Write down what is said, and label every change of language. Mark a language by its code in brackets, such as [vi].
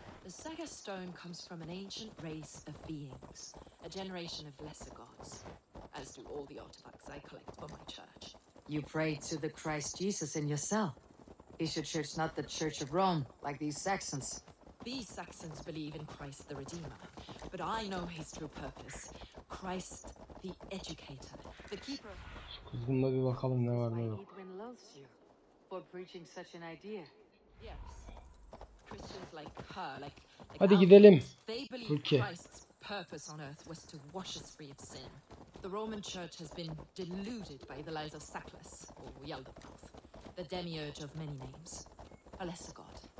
[en] The Saga Stone comes from an ancient race of beings, a generation of lesser gods, as do all the artifacts I collect for my church. You pray to the Christ Jesus in your cell. Is your church not the Church of Rome, like these Saxons? These Saxons believe in Christ the Redeemer, but I know his true purpose. Christ the Educator, the Keeper. [tr] Şu kuzgunla bir bakalım ne var ne yok. [en] Edwin loves you for preaching such an idea. Yes. Christians like her, like [tr] hadi gidelim. [en] They believe Türkiye. Christ's purpose on earth was to wash us free of sin. The Roman Church has been deluded by the lies of Sacklas, or Yaldabaoth, the demiurge of many names, a lesser god.